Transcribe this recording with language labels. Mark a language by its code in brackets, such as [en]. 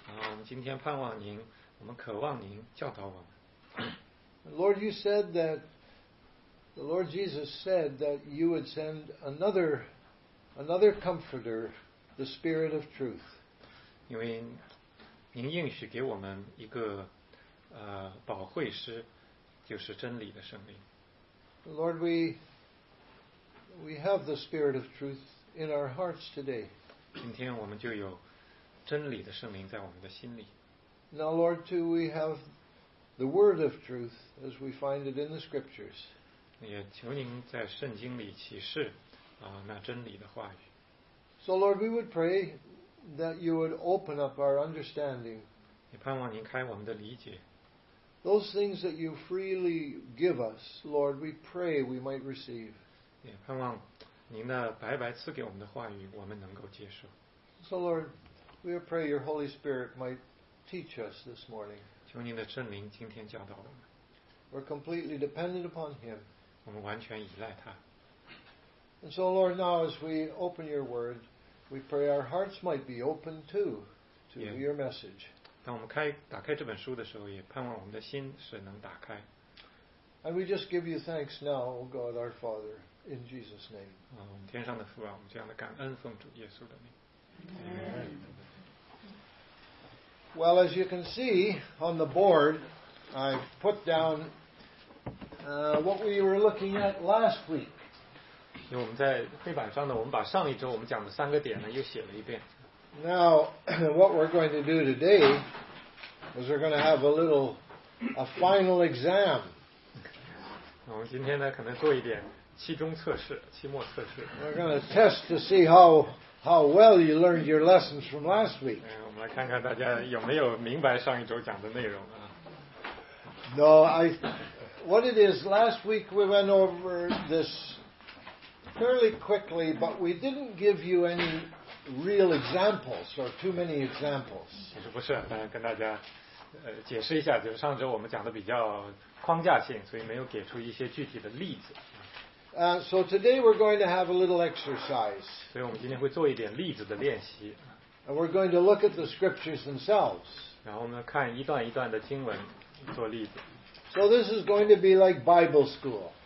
[zh] 我们今天盼望您，我们渴望您教导我们。 [en] Lord, you said that the Lord Jesus said that you would send another Comforter, the Spirit of Truth. [zh] 因为您应许给我们一个保惠师，就是真理的圣灵。 [en] Lord, we have the Spirit of Truth in our hearts today. [zh] 今天我们就有真理的圣灵在我们的心里。 [en] Now, Lord, too, we have the Word of Truth as we find it in the Scriptures. [zh] 也求您在圣经里启示那真理的话语。 [en] So, Lord, we would pray that you would open up our understanding. [zh] 也盼望您开我们的理解。 [en] Those things that you freely give us, Lord, we pray we might receive. [zh] 也盼望您的白白赐给我们的话语，我们能够接受。 [en] So, Lord, we pray your Holy Spirit might teach us this morning. [zh] 求您的圣灵今天教导我们。 [en] We're completely dependent upon Him. [zh] 我们完全依赖他。 [en] And so, Lord, now as we open your word, we pray our hearts might be open too to your message. [zh] 当我们打开这本书的时候，也盼望我们的心是能打开。 [en] And we just give you thanks now, O God our Father, in Jesus' name. [zh] 我们天上的父啊，我们这样的感恩奉主耶稣的名。 [en] Well, as you can see on the board, I've put down what we were looking at last week. [zh] 因为我们在黑板上呢，我们把上一周我们讲的三个点呢又写了一遍。 [en] Now, what we're going to do today is we're going to have a final exam. [zh] 我们今天呢可能做一点期中测试，期末测试。 [en] We're going to test to see how well you learned your lessons from last week. [zh] 我们来看看大家有没有明白上一周讲的内容啊。 [en] No, what it is, last week we went over this fairly quickly, but we didn't give you any real examples or too many examples. [zh] 不是，跟大家解释一下，就是上周我们讲的比较框架性，所以没有给出一些具体的例子。 [en] So today we're going to have a little exercise. [zh] 所以我们今天会做一点例子的练习。 [en] And we're going to look at the scriptures themselves. [zh] 然后我们看一段一段的经文做例子。 [en] So this is going to be like Bible school.